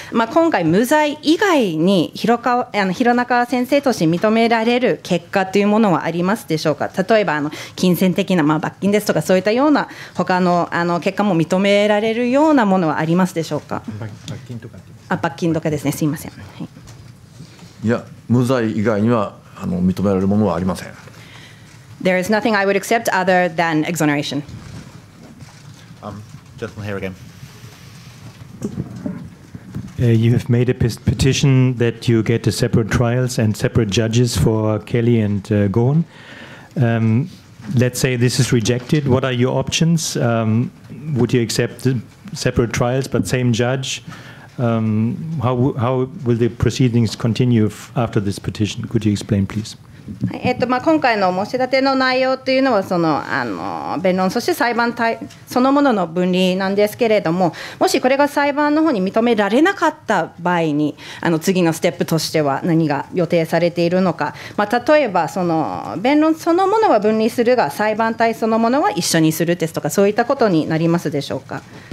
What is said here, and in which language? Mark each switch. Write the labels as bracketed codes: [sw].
[ja] 今回無罪以外に広中先生として認められる結果というものはありますでしょうか。例えば金銭的な罰金ですとか、そういったような他の結果も認められるようなものはありますでしょうか。罰金とかですね、すいません。はい、いや、無罪以外には認められるものはありません。 [en] There is nothing I would accept other than exoneration. Gentleman here again. You have made a petition that you get a separate trials and separate judges for Kelly and Ghosn. Let's say this is rejected. What are your options? Would you accept separate trials but same judge? How will the proceedings continue after this petition? Could you explain, please? [ja] 今回の申し立ての内容というのは、弁論、そして裁判体そのものの分離なんですけれども、もしこれが裁判の方に認められなかった場合に、次のステップとしては何が予定されているのか、例えば、弁論そのものは分離するが、裁判体そのものは一緒にするですとか、そういったことになりますでしょうか。